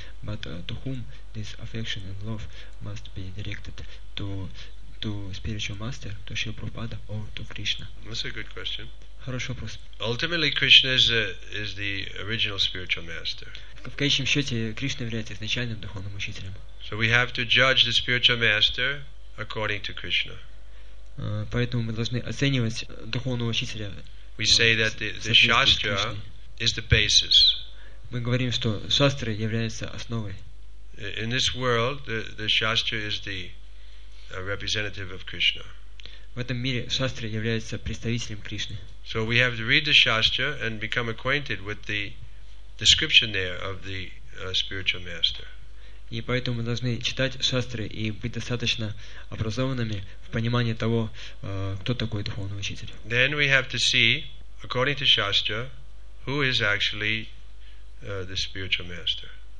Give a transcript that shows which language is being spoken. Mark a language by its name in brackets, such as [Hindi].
[English] But to whom this affection and love must be directed? To spiritual master, to Śrīla Prabhupāda, or to Krishna? That's a good question. [Russian] Хороший вопрос. [English] Ultimately, Krishna is the original spiritual master. [Russian] В конечном счете, Кришна является изначальным духовным учителем. [English] So we have to judge the spiritual master according to Krishna. [Russian] Поэтому мы должны оценивать духовного учителя. [English] We say that the Shastra is the basis. [Russian] Мы говорим, что Шастра является основой. [English] In this world, the Shastra is the a representative of Krishna. [Russian] В этом мире шастра является представителем Кришны. [English] So we have to read the shastra and become acquainted with the description there of the spiritual master. [Russian] И поэтому мы должны читать шастры и быть достаточно образованными в понимании того, кто такой духовный учитель. [English] Then we have to see, according to shastra, who is actually the spiritual master.